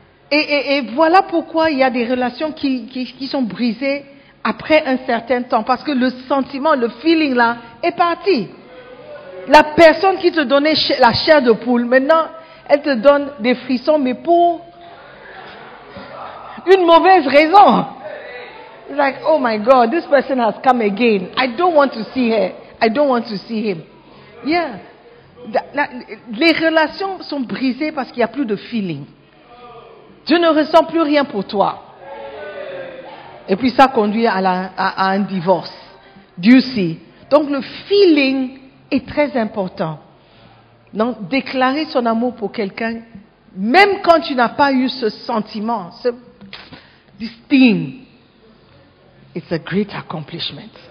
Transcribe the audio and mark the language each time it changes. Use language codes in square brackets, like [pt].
[fr] Et voilà pourquoi il y a des relations qui sont brisées après un certain temps. Parce que le sentiment, le feeling là, est parti. La personne qui te donnait la chair de poule, maintenant, elle te donne des frissons, mais pour une mauvaise raison. [en] It's like, oh my God, this person has come again. I don't want to see her. I don't want to see him. Yeah. [fr] Les relations sont brisées parce qu'il n'y a plus de feeling. Dieu ne ressent plus rien pour toi. Et puis ça conduit à un divorce. [en] Do you see? [fr] Donc le feeling est très important. Donc, déclarer son amour pour quelqu'un, même quand tu n'as pas eu ce sentiment, ce [en] thing, it's a great accomplishment.